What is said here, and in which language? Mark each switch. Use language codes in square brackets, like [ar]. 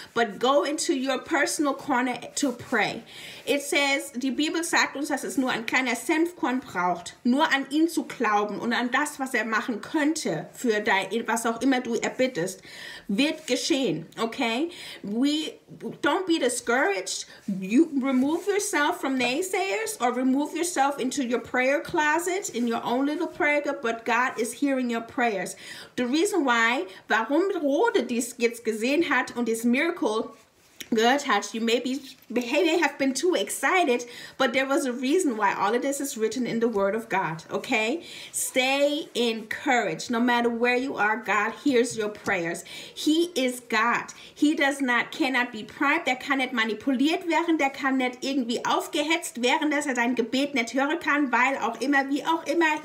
[en] But go into your personal corner to pray. It says, [de] die Bibel sagt uns, dass es nur ein kleiner Senfkorn braucht, nur an ihn zu glauben und an das, was er machen könnte, für dein, was auch immer du erbittest, wird geschehen, okay? [en] We don't be discouraged. You remove yourself from naysayers or remove yourself into your prayer closet in your own little prayer group, but God is hearing your prayers. The reason why, [de] warum Rode dies jetzt gesehen hat und dieses Miracle Gott hat, [en] you may have been too excited, but there was a reason why all of this is written in the Word of God, okay? Stay encouraged. No matter where you are, God hears your prayers. He is God. He does not, cannot be primed. [de] Er kann nicht manipuliert werden. Der kann nicht irgendwie aufgehetzt werden, dass er dein Gebet nicht hören kann, weil auch immer, wie auch immer.